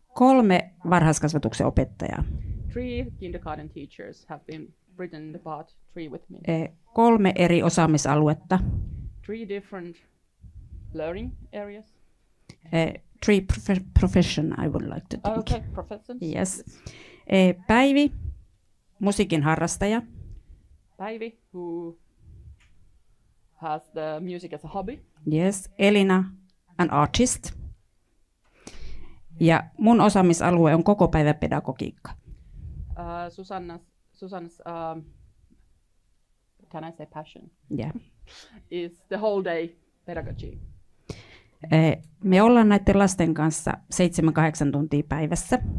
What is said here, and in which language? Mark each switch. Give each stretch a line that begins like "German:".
Finnish: Kolme varhaiskasvatuksen opettajaa.
English: 3 kindergarten teachers have been written the part 3 with me.
Finnish: Kolme eri osaamisaluetta.
English: 3 different learning areas. 3 profession I would like to think. Okay, professions. Yes.
Finnish: Päivi, musiikin harrastaja.
English: Päivi, who has the music as a hobby. Yes, Elina, an artist.
Finnish: Ja mun osaamisalue on koko päivä pedagogiikka.
English: Susanna's can I say passion? Yeah. Is the whole day pedagogy.
Finnish: Me ollaan näiden lasten kanssa 7-8 tuntia päivässä.